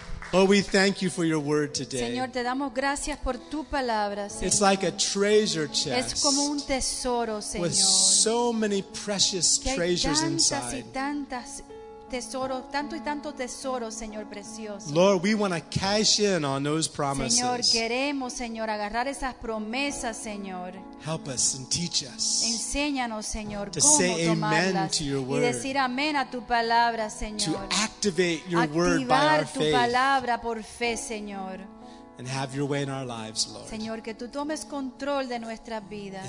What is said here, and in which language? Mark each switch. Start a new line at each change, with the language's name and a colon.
English: Oh, we thank you for your word today.
Spanish: Señor, te damos gracias por tu palabra, Señor.
English: It's like a treasure chest.
Spanish: Es como un tesoro, Señor.
English: With so many precious treasures inside.
Spanish: Que hay tantas y tantas tesoros, tanto y tanto tesoro, Señor precioso.
English: Lord, we want to cash in on those promises.
Spanish: Señor, queremos, Señor, agarrar esas promesas, Señor.
English: Help us and teach us.
Spanish: Enséñanos, Señor,
English: to say amen to your word.
Spanish: Y decir amén a tu palabra, Señor.
English: To activate your word by our faith.
Spanish: Activar tu palabra por fe, Señor.
English: And have your way in our lives, Lord.
Spanish: Señor, que tú tomes control de nuestras vidas.